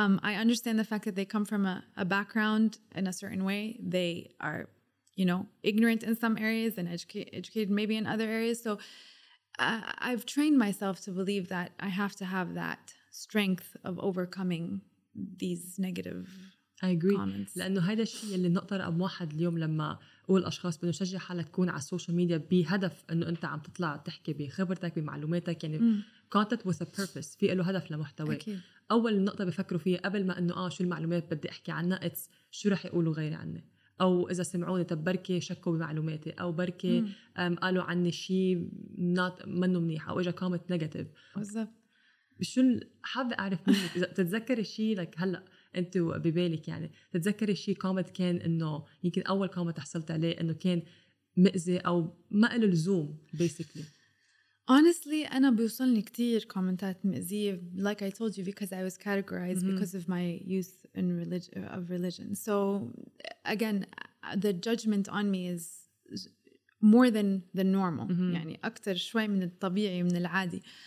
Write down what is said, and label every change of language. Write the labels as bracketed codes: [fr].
[en] I understand the fact that they come from a background in a certain way. They are, you know, ignorant in some areas and educated maybe in other areas. So I've trained myself to believe that I have to have that strength of overcoming these negative comments. I agree. Comments. [ar] لأنه هيدا الشيء اللي نقطة رقم واحد اليوم لما أقول أشخاص بأنه شجع حالك تكون على السوشيال ميديا بهدف أنه أنت عم تطلع تحكي بخبرتك بمعلوماتك يعني [en] content with a purpose، [ar] في له هدف لمحتوى. [en] Okay. [ar] أول نقطة بفكروا فيها قبل ما أنه شو المعلومات بدي أحكي عنها، it's شو رح يقولوا غيري عني، أو إذا سمعوني طب بركة شكوا بمعلوماتي، أو بركة قالوا عني شيء منه منيح، أو إجا كومنت نيجاتيف. بالضبط. شو حابة أعرف منك إذا تتذكر الشيء لك هلأ أنت ببالك، يعني تتذكر الشيء كومنت كان إنه يمكن أول كومنت حصلت عليه إنه كان مؤذي أو ما له لزوم [en] basically. Honestly, [ar] أنا بيوصلني كتير كومنتات مأزية [en] like I told you because I was categorized because of my youth in religion. So again, the judgment on me is more than the normal. [ar] يعني أكتر شوي من الطبيعي من العادي.